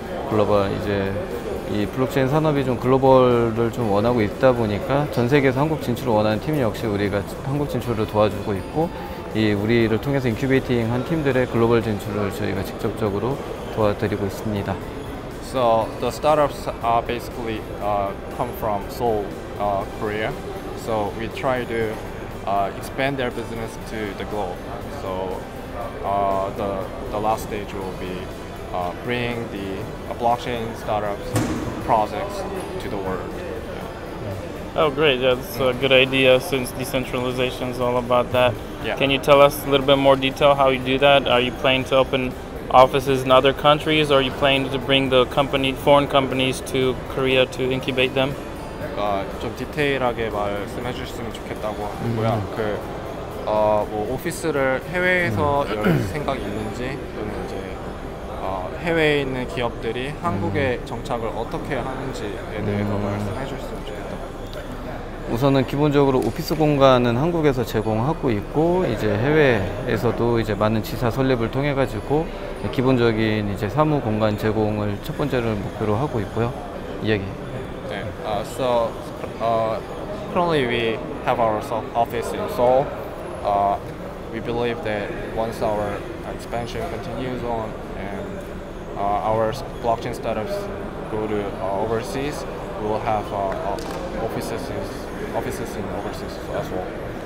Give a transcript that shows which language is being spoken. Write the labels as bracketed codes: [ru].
[ko] 글로벌 이제 이 블록체인 산업이 좀 글로벌을 좀 원하고 있다 보니까 전 세계에서 한국 진출을 원하는 팀 역시 우리가 한국 진출을 도와주고 있고 이 우리를 통해서 인큐베이팅 한 팀들의 글로벌 진출을 저희가 직접적으로 도와드리고 있습니다. [en] So the startups are basically come from Seoul, Korea. So we try to expand their business to the globe. So the last stage will be bringing the blockchain startups projects to the world. Oh, great. Yeah, that's a good idea since decentralization is all about that. Yeah. Can you tell us a little bit more detail how you do that? Are you planning to open offices in other countries, or are you planning to bring the company, foreign companies to Korea to incubate them? [ko] 좀 디테일하게 말씀해 주셨으면 좋겠다고 하고요. 그 뭐 오피스를 해외에서 열 생각이 있는지, 또는 이제 해외에 있는 기업들이 한국에 정착을 어떻게 하는지에 대해서 말씀해 주셨으면 좋겠다. 우선은 기본적으로 오피스 공간은 한국에서 제공하고 있고, 이제 해외에서도 이제 많은 지사 설립을 통해 가지고 기본적인 이제 사무 공간 제공을 첫 번째로 목표로 하고 있고요. 이야기. 네. [en] So currently we have our office in Seoul. We believe that once our expansion continues on and our blockchain startups go to overseas, we will have offices in overseas as well.